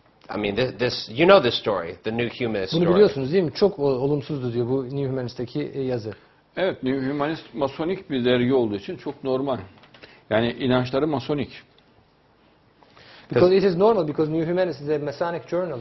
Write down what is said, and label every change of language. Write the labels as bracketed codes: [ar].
[en] I mean, this you know this story, the New Humanist. [tr] Bunu biliyorsunuz değil mi? Çok olumsuzdu diyor bu New Humanist'teki yazı. Evet, New Humanist masonik bir dergi olduğu için çok normal. Yani inançları masonik. [en] Because it is normal because New Humanist is a Masonic journal.